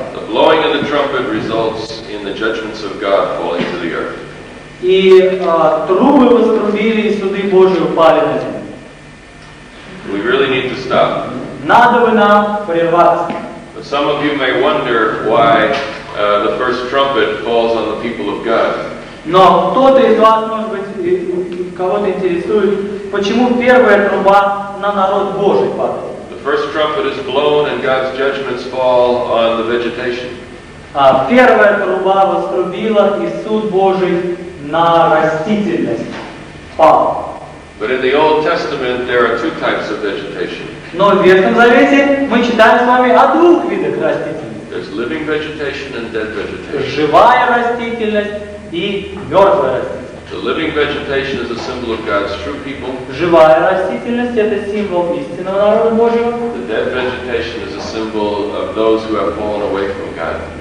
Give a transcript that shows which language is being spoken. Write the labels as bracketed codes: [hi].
[en] The blowing of the trumpet results in the judgments of God falling to the earth. [ru] И трубы вострубили, и суды Божьи упали на землю. [en] We really need to stop. [ru] Надо бы нам прерваться. [en] But Some of you may wonder why the first trumpet falls on the people of God. [ru] Но кто-то из вас, может быть, кого-то интересует, почему первая труба на народ Божий падает? [en] The first trumpet is blown and God's judgments fall on the vegetation. [ru] Первая труба вострубила, и суд Божий на растительность пал. [en] But in the Old Testament there are two types of vegetation. [ru] Но в Ветхом Завете мы читаем с вами о двух видах растительности. [en] There's living vegetation and dead vegetation. [ru] Живая растительность и мертвая растительность. [en] The living vegetation is a symbol of God's true people. [ru] Живая растительность — это символ истинного народа Божьего. [en] The dead vegetation is a symbol of those who have fallen away from God.